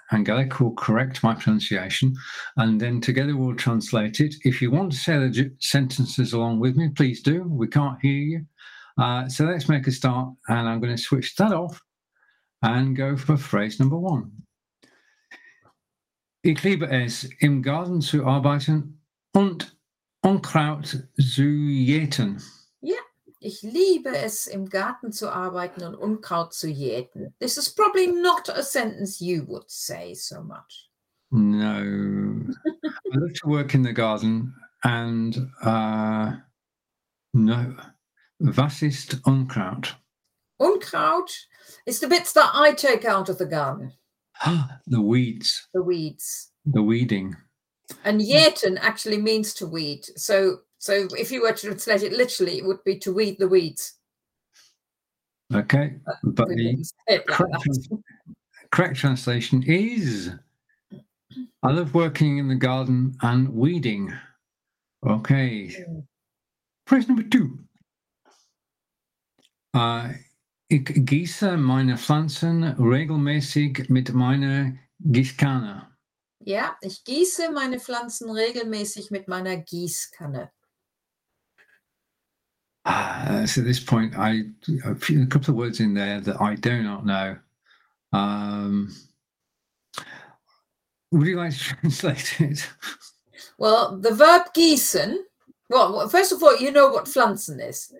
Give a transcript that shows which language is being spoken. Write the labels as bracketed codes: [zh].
[en] Angelica will correct my pronunciation, and then together we'll translate it. If you want to say the sentences along with me, please do. We can't hear you. So let's make a start, and I'm going to switch that off and go for phrase number one. [de] Ich liebe es, im Garten zu arbeiten und Unkraut zu jäten. Ich liebe es, im Garten zu arbeiten und Unkraut zu jäten. [en] This is probably not a sentence you would say so much. No. I love to work in the garden and no. [de] Was ist Unkraut? [en] Unkraut is the bits that I take out of the garden. The weeds. The weeds. The weeding. And jäten actually means to weed. So if you were to translate it literally, it would be to weed the weeds. Okay. But the correct translation is, I love working in the garden and weeding. Okay. Phrase number two. [de] Ich gieße meine Pflanzen regelmäßig mit meiner Gießkanne. Ja, ich gieße meine Pflanzen regelmäßig mit meiner Gießkanne. [en] So at this point, a couple of words in there that I do not know. Would you like to translate it? Well, the verb gießen, first of all, you know what pflanzen is.